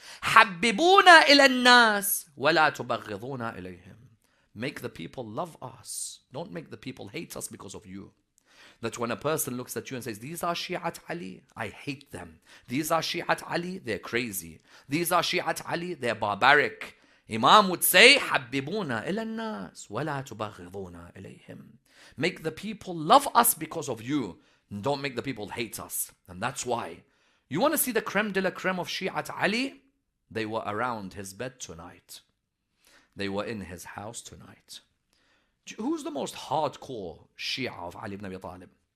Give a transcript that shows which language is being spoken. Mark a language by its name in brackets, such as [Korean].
[Arabic] حَبِّبُونَا إِلَى النَّاسِ وَلَا تُبَغِّضُونَا إِلَيْهِمْ. [English] Make the people love us. Don't make the people hate us because of you. That when a person looks at you and says, these are Shi'at Ali, I hate them. These are Shi'at Ali, they're crazy. These are Shi'at Ali, they're barbaric. Imam would say, [Arabic] حَبِّبُونَا إِلَى النَّاسِ وَلَا تُبَغِّضُونَا إِلَيْهِمْ. [English] Make the people love us because of you. Don't make the people hate us. And that's why. You want to see the creme de la creme of Shi'at Ali? They were around his bed tonight. They were in his house tonight. Who's the most hardcore Shia of Ali ibn Abi Talib?